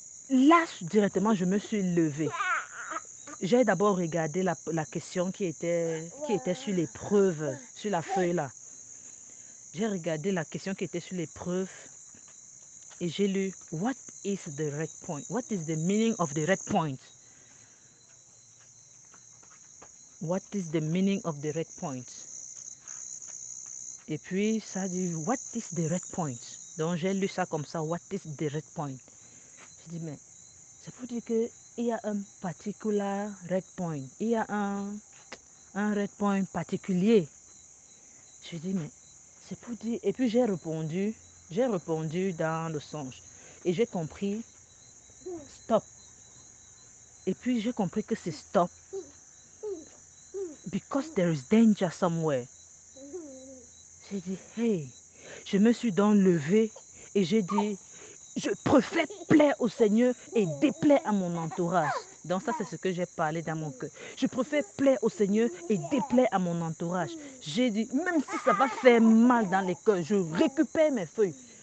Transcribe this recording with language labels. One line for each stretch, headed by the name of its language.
French: Là, directement, je me suis levée. J'ai d'abord regardé la question qui était sur l'épreuve, sur la feuille là. J'ai regardé la question qui était sur l'épreuve et j'ai lu,
English: What is the red point? What is the meaning of the red point? What is the meaning of the red point?
French: Et puis ça dit,
English: What is the red point?
French: Donc j'ai lu ça comme ça,
English: what is the red point?
French: Je dis, mais c'est pour dire qu'il y a un
English: particular red point.
French: Il y a un red point particulier. Je dis, mais c'est pour dire. Et puis j'ai répondu dans le songe. Et j'ai compris, stop. Et puis j'ai compris que c'est stop.
English: Because there is danger somewhere.
French: J'ai dit, hey, je me suis donc levée et j'ai dit, je préfère plaire au Seigneur et déplaire à mon entourage. Donc ça, c'est ce que j'ai parlé dans mon cœur. Je préfère plaire au Seigneur et déplaire à mon entourage. J'ai dit, même si ça va faire mal dans les cœurs, je récupère mes feuilles.